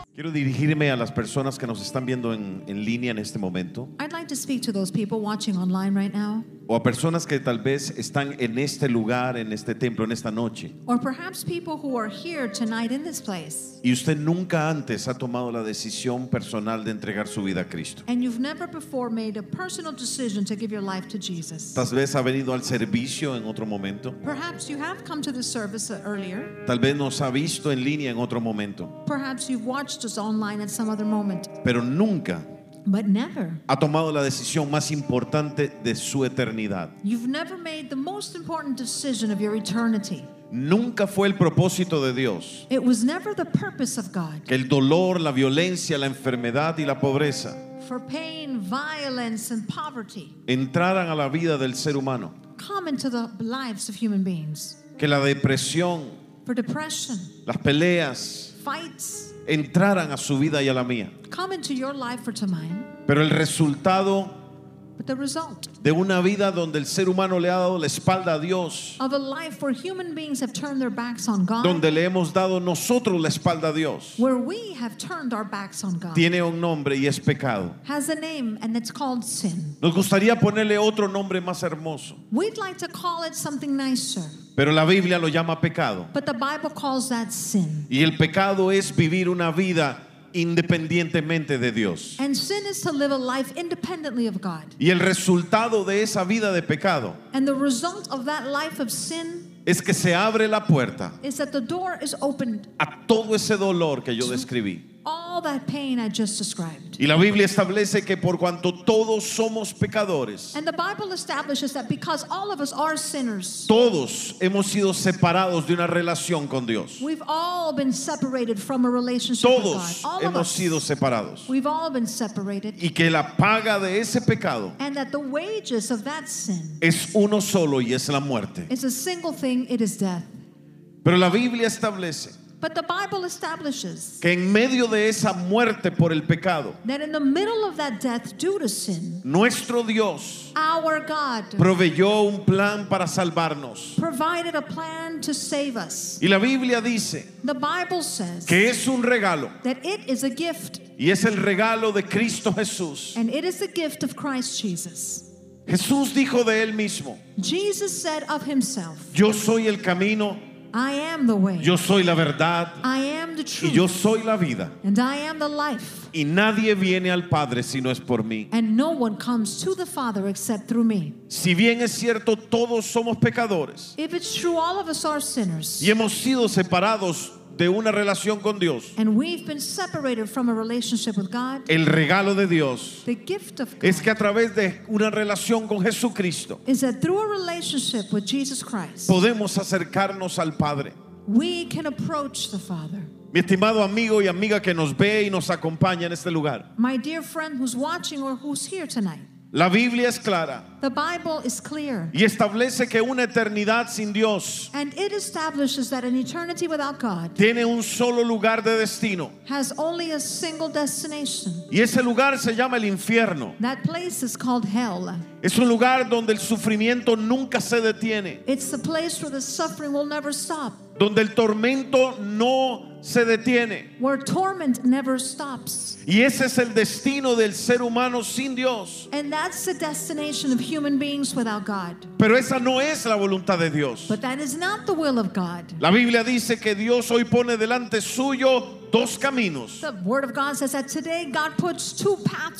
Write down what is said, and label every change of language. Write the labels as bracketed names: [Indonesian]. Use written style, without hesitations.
[Spanish] Quiero dirigirme a las personas que nos están viendo en línea en este momento. [English] I'd like to speak to those people watching online right now. [Spanish] O a personas que tal vez están en este lugar, en este templo, en esta noche. [English] Or perhaps people who are here tonight in this place. [Spanish] Y usted nunca antes ha tomado la decisión personal de entregar su vida a Cristo. [English] And you've never before made a personal decision to give your life to Jesus. [Spanish] Tal vez ha venido al servicio en otro momento. [English] Perhaps you have come to the service earlier. [Spanish] Tal vez nos ha visto en línea en otro momento. [English] Perhaps you've watched us online at some other moment. [Spanish] Pero nunca. [English] But never. [Spanish] Ha tomado la decisión más importante de su eternidad. [English] You've never made the most important decision of your eternity. [Spanish] Nunca fue el propósito de Dios. [English] It was never the purpose of God. [Spanish] Que el dolor, la violencia, la enfermedad y la pobreza. [English] For pain, violence, and poverty. [Spanish] Entraran a la vida del ser humano. [English] Come into the lives of human beings. [Spanish] Que la depresión. [English] For depression. [Spanish] Las peleas. [English] Fights. [Spanish] Entraran a su vida y a la mía. [English] Come into your life or to mine. [Spanish] Pero el resultado. [English] But the result. [Spanish] De una vida donde el ser humano le ha dado la espalda a Dios. [English] Of a life where human beings have turned their backs on God. [Spanish] Donde le hemos dado nosotros la espalda a Dios. [English] Where we have turned our backs on God. [Spanish] Tiene un nombre y es pecado. [English] Has a name and it's called sin. [Spanish] Nos gustaría ponerle otro nombre más hermoso. [English] We'd like to call it something nicer. [Spanish] Pero la Biblia lo llama pecado. [English] But the Bible calls that sin. [Spanish] Y el pecado es vivir una vida independientemente de Dios. [English] And sin is to live a life independently of God. [Spanish] Y el resultado de esa vida de pecado. [English] And the result of that life of sin. [Spanish] Es que se abre la puerta. [English] Is that the door is opened. [Spanish] A todo ese dolor que yo describí. [English] All that pain I just described. [Spanish] Y la Biblia establece que por cuanto todos somos pecadores. [English] And the Bible establishes that because all of us are sinners. [Spanish] Todos hemos sido separados de una relación con Dios. [English] We've all been separated from a relationship [Spanish] todos [English] with God. [Spanish] Todos hemos sido separados. [English] We've all been separated. [Spanish] Y que la paga de ese pecado. [English] And that the wages of that sin. [Spanish] Es uno solo y es la muerte. [English] It's a single thing, it is death. [Spanish] Pero la Biblia establece. [English] But the Bible establishes [Spanish] que en medio de esa muerte por el pecado, [English] that in the middle of that death due to sin, [Spanish] nuestro Dios, [English] our God, [Spanish] proveyó un plan para salvarnos, [English] provided a plan to save us. [Spanish] Y la Biblia dice, [English] the Bible says [Spanish] que es un regalo, [English] that it is a gift, [Spanish] y es el regalo de Cristo Jesús, [English] and it is the gift of Christ Jesus. [Spanish] Jesús dijo de él mismo, [English] Jesus said of himself, [Spanish] yo soy el camino. [English] I am the way. [Spanish] Yo soy la verdad. [English] I am the truth. [Spanish] Y yo soy la vida. [English] And I am the life. [Spanish] Y nadie viene al Padre si no es por mí. [English] And no one comes to the Father except through me. [Spanish] Si bien es cierto, todos somos pecadores. [English] If it's true, all of us are sinners. [Spanish] Y hemos sido separados de una relación con Dios. [English] And we've been separated from a relationship with God. [Spanish] El regalo de Dios. [English] The gift of God. [Spanish] Es que a través de una relación con Jesucristo. [English] Is that through a relationship with Jesus Christ. [Spanish] Podemos acercarnos al Padre. [English] We can approach the Father. [Spanish] Mi estimado amigo y amiga que nos ve y nos acompaña en este lugar. [English] My dear friend who's watching or who's here tonight. [Spanish] La Biblia es clara. [English] The Bible is clear. [Spanish] Y establece que una eternidad sin Dios, [English] and it establishes that an eternity without God, [Spanish] tiene un solo lugar de destino, [English] has only a single destination. [Spanish] Y ese lugar se llama el infierno. [English] That place is called hell. [Spanish] Es un lugar donde el sufrimiento nunca se detiene. [English] It's the place where the suffering will never stop. [Spanish] Donde el tormento no se detiene. [English] Where torment never stops. [Spanish] Y ese es el destino del ser humano sin Dios. [English] And that's the destination of human beings without God. [Spanish] Pero esa no es la voluntad de Dios. [English] But that is not the will of God. [Spanish] La Biblia dice que Dios hoy pone delante suyo dos caminos. [English] The word of God says that today God puts two paths.